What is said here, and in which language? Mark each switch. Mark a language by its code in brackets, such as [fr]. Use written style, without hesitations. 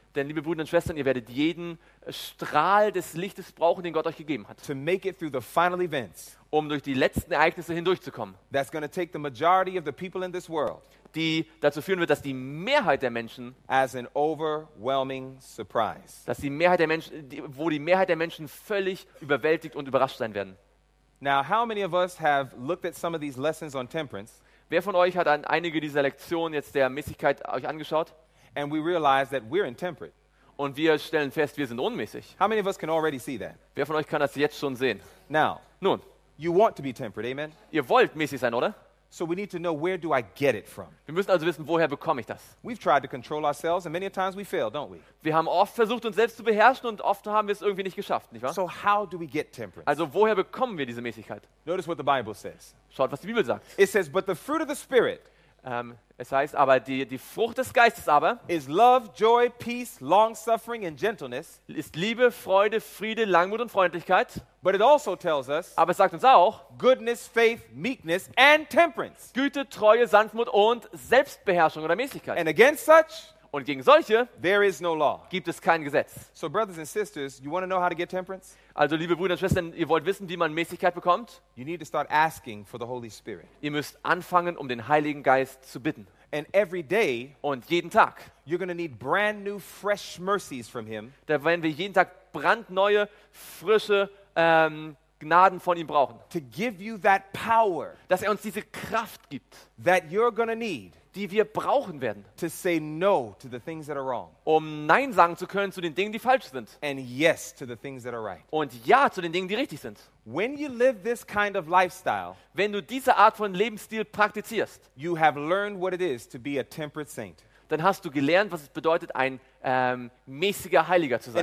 [de] Denn, liebe Brüder und Schwestern, ihr werdet jeden Strahl des Lichtes brauchen, den Gott euch gegeben hat. [en] To make it through the final events, [de] um durch die letzten Ereignisse hindurchzukommen. [en] That's going to take the majority of the people in this world, [de] die dazu führen wird, dass die Mehrheit der Menschen, [en] as an overwhelming surprise, [de] dass die Mehrheit der Menschen, wo die Mehrheit der Menschen völlig überwältigt und überrascht sein werden. [en] Now, how many of us have looked at some of these lessons on temperance? [de] Wer von euch hat an einige dieser Lektionen jetzt der Mäßigkeit euch angeschaut? [en] And we realize that we're intemperate. [de] Und wir stellen fest, wir sind unmäßig. [en] How many of us can already see that? [de] Wer von euch kann das jetzt schon sehen? [en] Now, [de] nun, [en] you want to be temperate, amen? [de] Ihr wollt mäßig sein, oder? [en] So we need to know, where do I get it from? [de] Wir müssen also wissen, woher bekomme ich das? [en] We've tried to control ourselves, and many times we fail, don't we? [de] Wir haben oft versucht, uns selbst zu beherrschen, und oft haben wir es irgendwie nicht geschafft, nicht wahr? [en] So how do we get temperance? [de] Also woher bekommen wir diese Mäßigkeit? [en] Notice what the Bible says. [de] Schaut, was die Bibel sagt. [en] It says, but the fruit of the Spirit. [de] Es heißt aber, die Frucht des Geistes aber [en] is love, joy, peace, long suffering and gentleness, [de] ist Liebe, Freude, Friede, Langmut und Freundlichkeit. [en] But it also tells us, [de] aber es sagt uns auch, [en] goodness, faith, meekness and temperance, [de] Güte, Treue, Sanftmut und Selbstbeherrschung oder Mäßigkeit. [en] And against such, [de] und gegen solche, [en] there is no law, [de] gibt es kein Gesetz. [en] So brothers and sisters, you want to know how to get temperance? [de] Also liebe Brüder und Schwestern, ihr wollt wissen, wie man Mäßigkeit bekommt? [en] You need to start asking for the Holy Spirit. [de] Ihr müsst anfangen, um den Heiligen Geist zu bitten. [en] And every day, [de] und jeden Tag, [en] you're going to need brand new fresh mercies from him. [de] Da werden wir jeden Tag brandneue, frische Gnaden von ihm brauchen. [en] To give you that power, [de] dass er uns diese Kraft gibt, [en] that you're going to need, [de] die wir brauchen werden, [en] to say no to the things that are wrong, [de] um Nein sagen zu können zu den Dingen, die falsch sind, [en] and yes to the things that are right, [de] und Ja zu den Dingen, die richtig sind. [en] When you live this kind of lifestyle, [de] wenn du diese Art von Lebensstil praktizierst, [en] you have learned what it is to be a temperate saint. [de] Dann hast du gelernt, was es bedeutet, ein mäßiger Heiliger zu sein.